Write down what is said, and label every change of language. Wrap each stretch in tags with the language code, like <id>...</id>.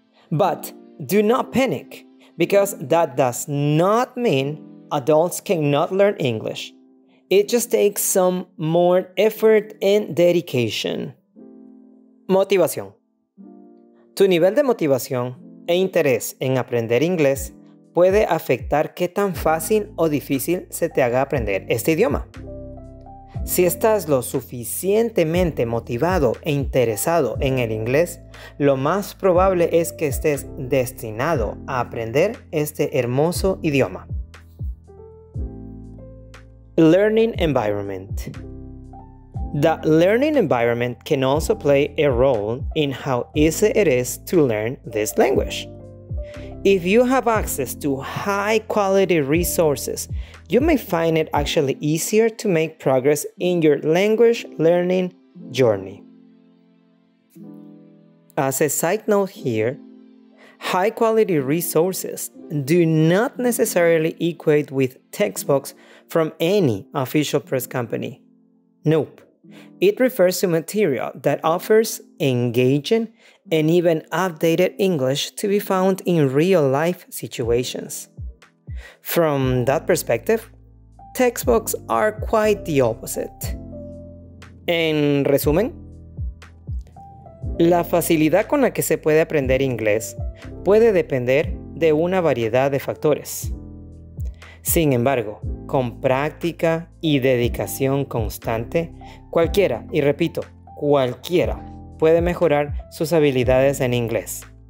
<en>But do not panic, because that does not mean adults cannot learn English. It just takes some more effort and dedication.</en> <es>Motivación. Tu nivel de motivación e interés en aprender inglés puede afectar qué tan fácil o difícil se te haga aprender este idioma. Si estás lo suficientemente motivado e interesado en el inglés, lo más probable es que estés destinado a aprender este hermoso idioma.</es> <en>Learning environment. The learning environment can also play a role in how easy it is to learn this language. If you have access to high-quality resources, you may find it actually easier to make progress in your language learning journey. As a side note here, high-quality resources do not necessarily equate with textbooks from any official press company. Nope. It refers to material that offers engaging and even updated English to be found in real-life situations. From that perspective, textbooks are quite the opposite.</en> <es>En resumen, la facilidad con la que se puede aprender inglés puede depender de una variedad de factores. Sin embargo, con práctica y dedicación constante, cualquiera, y repito, cualquiera, puede mejorar sus habilidades en inglés.</es>